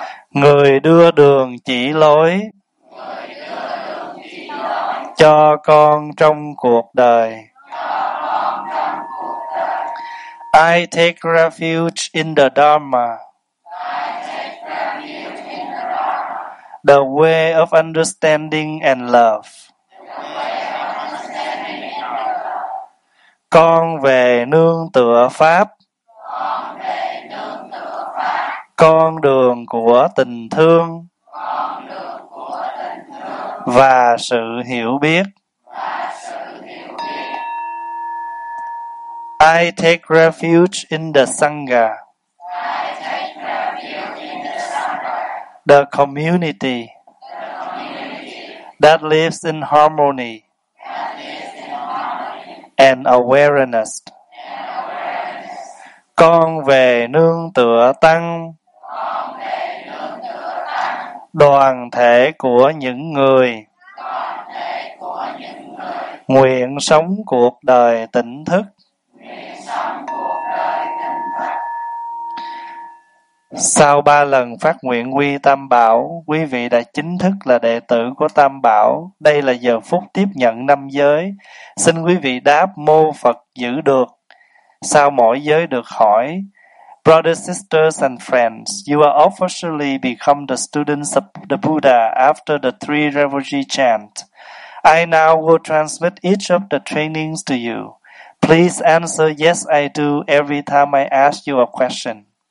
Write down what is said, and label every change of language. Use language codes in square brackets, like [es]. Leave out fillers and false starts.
[vi] Người đưa đường chỉ lối cho con trong cuộc đời. [en] I take refuge in the Dharma, the way of understanding and love. [vi] Con về nương tựa Pháp, con đường của tình thương và sự hiểu biết. [en] I take refuge in the Sangha, the community that lives in harmony and awareness. [vi] Con về nương tựa Tăng, đoàn thể của những người nguyện sống cuộc đời tỉnh thức. Sau ba lần phát nguyện quy Tam Bảo, quý vị đã chính thức là đệ tử của Tam Bảo. Đây là giờ phút tiếp nhận năm giới. Xin quý vị đáp mô Phật giữ được sau mỗi giới được hỏi. [en] Brothers, sisters, and friends, you will officially become the students of the Buddha after the three refugee chant. I now will transmit each of the trainings to you. Please answer yes, I do every time I ask you a question.